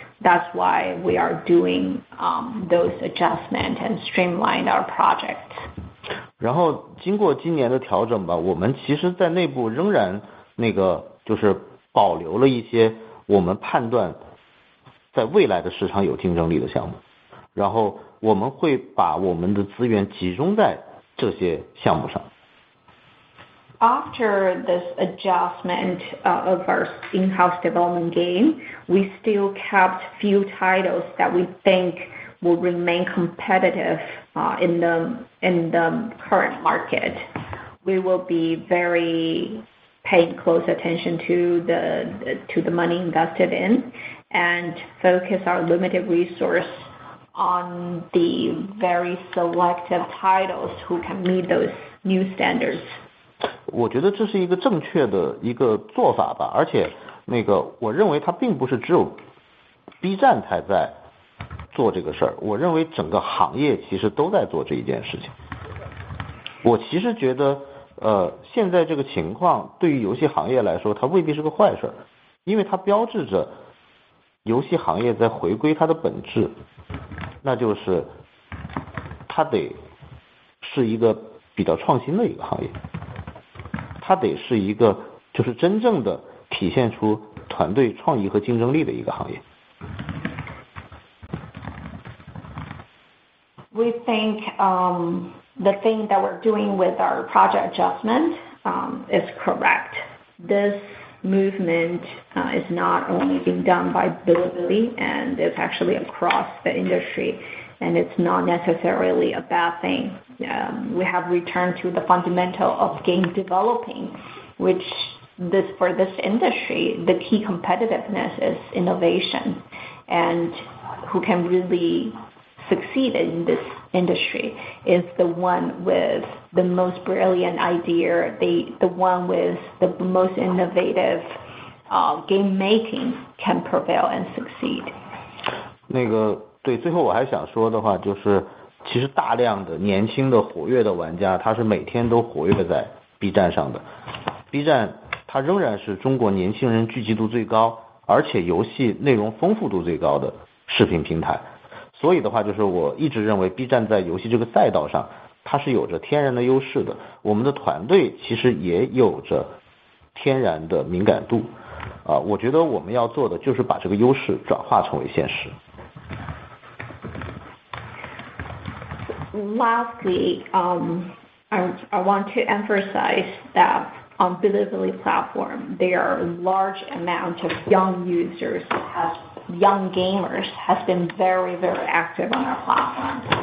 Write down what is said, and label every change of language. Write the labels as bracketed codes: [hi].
[en] That's why we are doing those adjustments and streamlined our projects. [zh] 然后经过今年的调整吧，我们其实在内部仍然那个就是保留了一些我们判断在未来的市场有竞争力的项目，然后我们会把我们的资源集中在这些项目上。 [en] After this adjustment of our in-house development game, we still kept few titles that we think will remain competitive in the current market. We will be very paying close attention to the money invested in and focus our limited resource on the very selective titles who can meet those new standards. [zh] 我觉得这是一个正确的一个做法吧，而且那个我认为它并不是只有 B 站才在做这个事儿，我认为整个行业其实都在做这一件事情。我其实觉得现在这个情况对于游戏行业来说它未必是个坏事，因为它标志着游戏行业在回归它的本质，那就是它得是一个比较创新的一个行业，它得是一个就是真正的体现出团队创意和竞争力的一个行业。 [en] We think the thing that we're doing with our project adjustment is correct. This movement is not only being done by Bilibili, and it's actually across the industry, and it's not necessarily a bad thing. We have returned to the fundamental of game developing, which this, for this industry, the key competitiveness is innovation, and who can really succeed in this industry is the one with the most brilliant idea, the one with the most innovative game making can prevail and succeed. [zh] 那个对，最后我还想说的话就是，其实大量的年轻的活跃的玩家，他是每天都活跃在 B 站上的。 B 站它仍然是中国年轻人聚集度最高，而且游戏内容丰富度最高的视频平台。所以的话，就是我一直认为 B 站在游戏这个赛道上，它是有着天然的优势的。我们的团队其实也有着天然的敏感度，我觉得我们要做的就是把这个优势转化成为现实。 [en] Lastly, I want to emphasize that on Bilibili platform, there are large amount of young users young gamers has been very, very active on our platform.